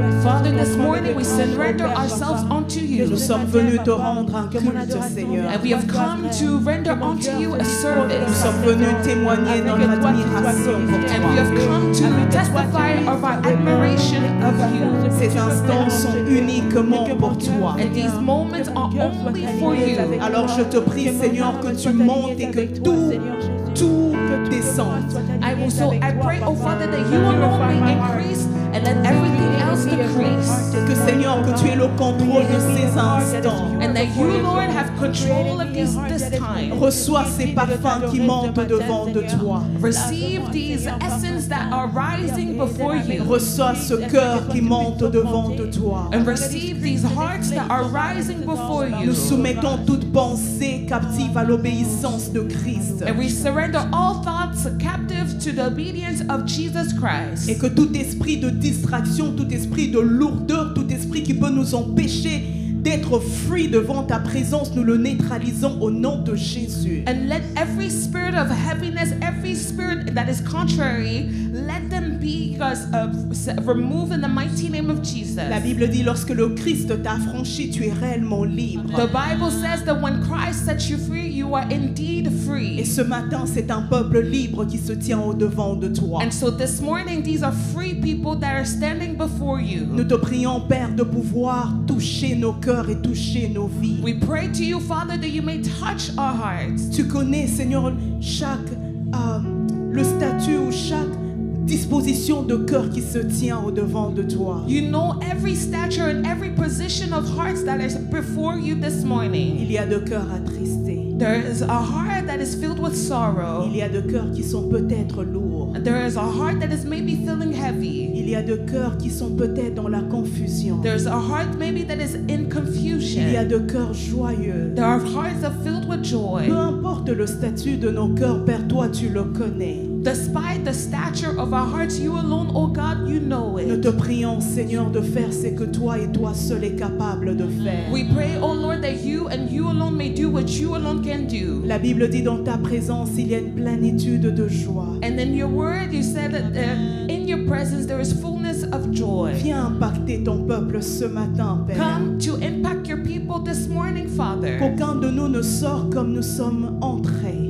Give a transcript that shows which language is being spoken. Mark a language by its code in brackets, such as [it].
[en] Father, this morning we surrender ourselves unto you. [fr] Nous sommes venus te rendre un culte, Seigneur. [en] And we have come to render unto you a service. [fr] Nous sommes venus témoigner notre admiration pour toi. [en] And we have come to testify of our admiration of you. [fr] Ces instants sont uniquement pour toi. [en] And these moments are only for you. [fr] Alors je te prie, Seigneur, que tu montes et que tout descende. [en] I will, so I pray, oh Father, that you alone may increase and let everything else decrease. [fr] Que Seigneur, que tu aies le contrôle de ces instants. [en] And that you, Lord, have control of this time. [fr] Reçois ces parfums qui montent devant de toi. [en] Receive these essences that are rising before you. [fr] Reçois ce cœur qui monte devant de toi. [en] And receive these hearts that are rising before you. [fr] Nous soumettons toute pensée captive à l'obéissance de Christ. [en] And we surrender all thoughts captive to the obedience of Jesus Christ. [fr] Et que tout esprit de distraction, tout esprit de lourdeur, tout esprit qui peut nous empêcher d'être free devant ta présence, nous le neutralisons au nom de Jésus. [en] And let every spirit of heaviness, every spirit that is contrary, let them be removed in the mighty name of Jesus. [fr] La Bible dit, lorsque le Christ t'a affranchi, tu es réellement libre. [en] The Bible says that when Christ sets you free, you are indeed free. [fr] Et ce matin, c'est un peuple libre qui se tient au devant de toi. [en] And so this morning, these are free people that are standing before you. [fr] Nous te prions, Père, de pouvoir toucher nos cœurs et toucher nos vies. [en] We pray to you, Father, that you may touch our hearts. [fr] Tu connais, Seigneur, chaque le statut ou chaque disposition de cœur qui se tient au devant de toi. [en] You know every stature and every position of hearts that is before you this morning. [fr] Il y a de cœurs attristés. [en] There is a heart that is filled with sorrow. [fr] Il y a de cœurs qui sont peut-être lourds. [en] There is a heart that is maybe feeling heavy. [fr] Il y a de cœurs qui sont peut-être dans la confusion. [en] There is a heart maybe that is in confusion. [fr] Il y a de cœurs joyeux. [en] There are hearts that are filled with joy. [fr] Peu importe le statut de nos cœurs, Père, toi tu le connais. [en] Despite the stature of our hearts, you alone, O God, you know it. [fr] Nous te prions, Seigneur, de faire ce que toi et toi seul es capable de faire. [en] We pray, O Lord, that you and you alone may do what you alone can do. [fr] La Bible dit, dans ta présence, il y a une plénitude de joie. [en] And in your word, you said that in your presence there is fullness of joy. [fr] Viens impacter ton peuple ce matin, Père. [en] Come to impact your people this morning, Father. [fr] Qu'aucun de nous ne sort comme nous sommes entrés.